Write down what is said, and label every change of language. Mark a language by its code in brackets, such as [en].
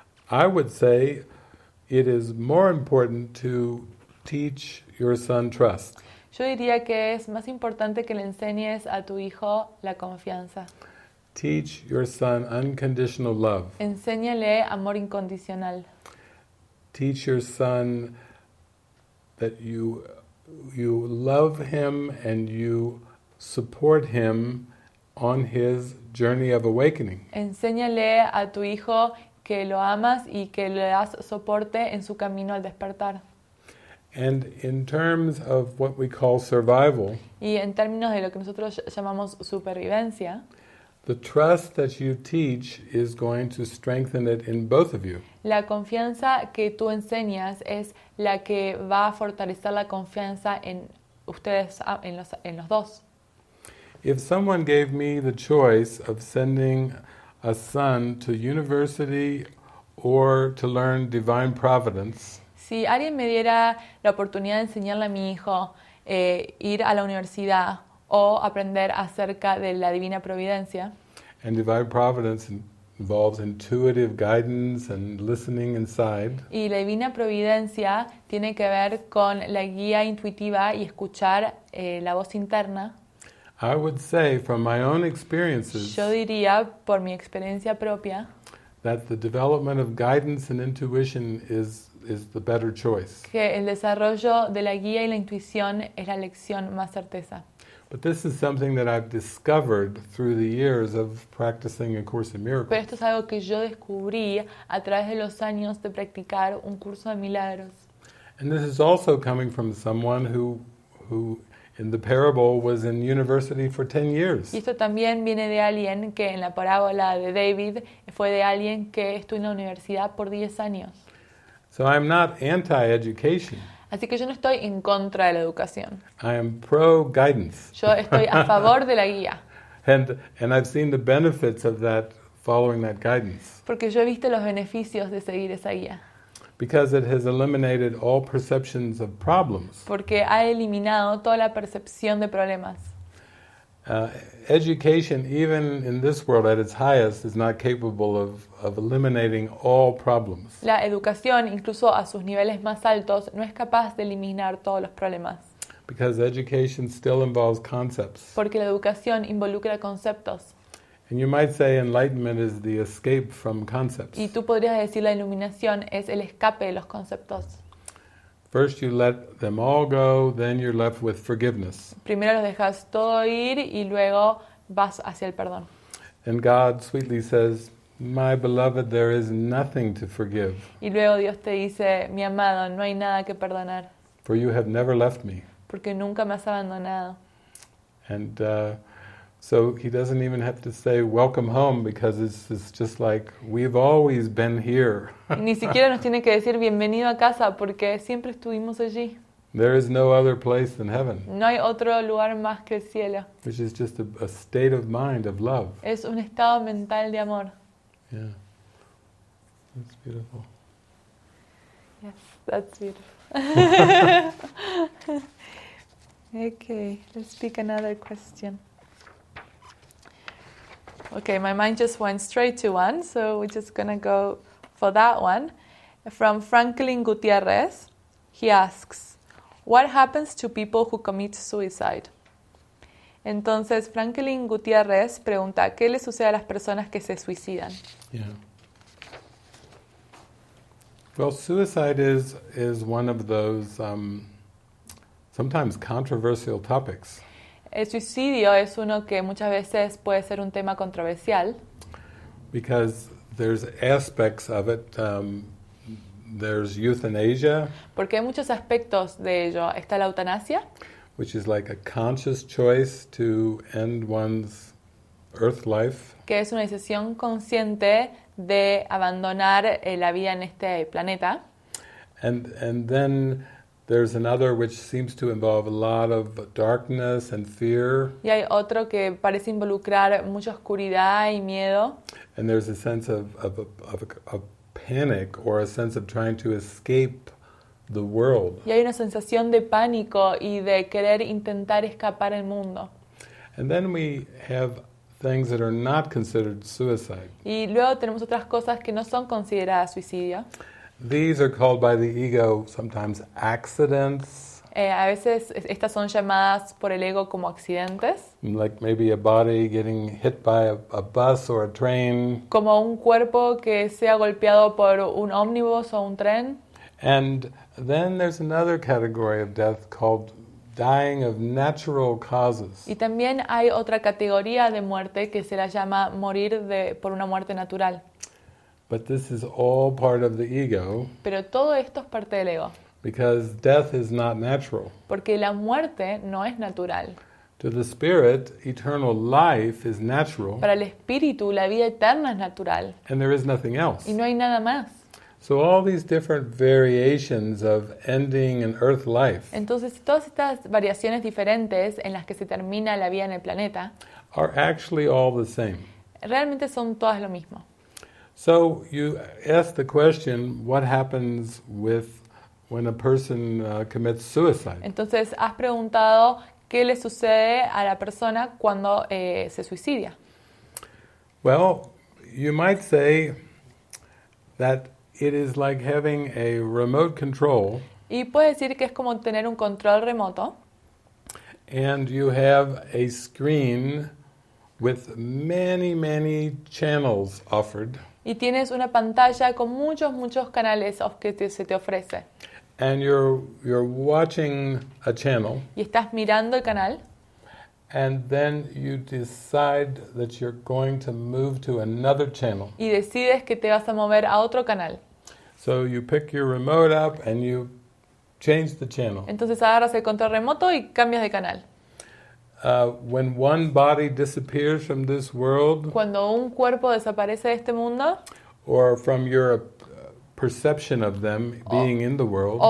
[en] I would say it is more important to teach your son trust. [es] Yo diría que es más importante que le enseñes a tu hijo la confianza. [en] Teach your son unconditional love. [es] Enséñale amor incondicional. [en] Teach your son that you love him and you support him on his journey of awakening. [es] Enséñale a tu hijo que lo amas y que le das soporte en su camino al despertar. [en] And in terms of what we call survival, [es] y en términos de lo que nosotros llamamos supervivencia, [en] the trust that you teach is going to strengthen it in both of you. [es] La confianza que tú enseñas es la que va a fortalecer la confianza en ustedes, en los dos. [en] If someone gave me the choice of sending a son to university or to learn divine providence, [es] si alguien me diera la oportunidad de enseñarle a mi hijo ir a la universidad o aprender acerca de la divina providencia, [en] and divine providence involves intuitive guidance and listening inside, [es] y la divina providencia tiene que ver con la guía intuitiva y escuchar la voz interna, [en] I would say from my own experiences, [es] yo diría por mi experiencia propia, [en] that the development of guidance and intuition is the better choice. [es] Que el desarrollo de la guía y la intuición es la elección más certeza. [en] But this is something that I've discovered through the years of practicing A Course in Miracles. [es] Pero esto es algo que yo descubrí a través de los años de practicar un curso de milagros. [en] And this is also coming from someone who in the parable was in university for 10 years. [es] Y esto también viene de alguien que en la parábola de David fue de alguien que estuvo en la universidad por 10 años. [en] So I'm not anti-education. [es] Así que yo no estoy en contra de la educación. [en] I am pro-guidance. [es] Yo estoy a favor de la guía. [en] And I've seen the benefits of that, following that guidance. [es] Porque yo he visto los beneficios de seguir esa guía. [en] Because it has eliminated all perceptions of problems. [es] Porque ha eliminado toda la percepción de problemas. [en] Education, even in this world at its highest, is not capable of eliminating all problems. [es] La educación, incluso a sus niveles más altos, no es capaz de eliminar todos los problemas. [en] Because education still involves concepts. [es] Porque la educación involucra conceptos. [en] And you might say enlightenment is the escape from concepts. [es] Y tú podrías decir la iluminación es el escape de los conceptos. [en] First you let them all go, then you're left with forgiveness. [es] Primero los dejas todo ir y luego vas hacia el perdón. [en] And God sweetly says, "My beloved, there is nothing to forgive." [es] Y luego Dios te dice, "Mi amado, no hay nada que perdonar." [en] For you have never left me. [es] Porque nunca me has abandonado. [en] So he doesn't even have to say welcome home because it's just like we've always been here. [es] Ni siquiera nos tiene que decir bienvenido a casa porque siempre estuvimos allí. [en] There is no other place than heaven. [es] No hay otro lugar más que el cielo. [en] Which is just a state of mind of love. [es] Es un estado mental de amor. [en] Yeah. That's beautiful. Yes, that's beautiful. Okay, let's pick another question. Okay, my mind just went straight to one, so we're just going to go for that one. From Franklin Gutierrez, he asks, what happens to people who commit suicide? [es] Entonces, Franklin Gutierrez pregunta, ¿qué le sucede a las personas que se suicidan? [en] Yeah. Well, suicide is one of those sometimes controversial topics. [es] El suicidio es uno que muchas veces puede ser un tema controversial. [en] Because there's aspects of it, there's euthanasia. [es] Porque hay muchos aspectos de ello. Está la eutanasia. [en] Which is like a conscious choice to end one's earth life. [es] Que es una decisión consciente de abandonar la vida en este planeta. [en] And then there's another which seems to involve a lot of darkness and fear. [es] Y hay otro que parece involucrar mucha oscuridad y miedo. [en] And there's a sense of panic or a sense of trying to escape the world. [es] Y hay una sensación de pánico y de querer intentar escapar el mundo. [en] And then we have things that are not considered suicide. [es] Y luego tenemos otras cosas que no son consideradas suicidio. [en] These are called by the ego sometimes accidents. [es] A veces estas son llamadas por el ego como accidentes. [en] Like maybe a body getting hit by a bus or a train. [es] Como un cuerpo que sea golpeado por un ómnibus o un tren. [en] And then there's another category of death called dying of natural causes. [es] Y también hay otra categoría de muerte que se la llama morir de, por una muerte natural. [en] But this is all part of the ego. [es] Pero todo esto es parte del ego. [en] Because death is not natural. [es] Porque la muerte no es natural. [en] To the spirit, eternal life is natural. [es] Para el espíritu, la vida eterna es natural. [en] And there is nothing else. [es] Y no hay nada más. [en] So all these different variations of ending an earth life. [es] Entonces todas estas variaciones diferentes en las que se termina la vida en el planeta [en] are actually all the same. [es] Realmente son todas lo mismo. [en] So you ask the question, what happens with when a person commits suicide? [es] Entonces has preguntado qué le sucede a la persona cuando se suicida. [en] Well, you might say that it is like having a remote control. [es] Y puedes decir que es como tener un control remoto. [en] And you have a screen with many, many channels offered. [es] Y tienes una pantalla con muchos, muchos canales que se te ofrece. [en] And you're watching a channel. [es] Y estás mirando el canal. [en] And then you decide that you're going to move to another channel. [es] Y decides que te vas a mover a otro canal. [en] So you pick your remote up and you change the channel. [es] Entonces agarras el control remoto y cambias de canal. [en] When one body disappears from this world, [es] cuando un cuerpo desaparece de este mundo, [en] or from your perception of them being in the world,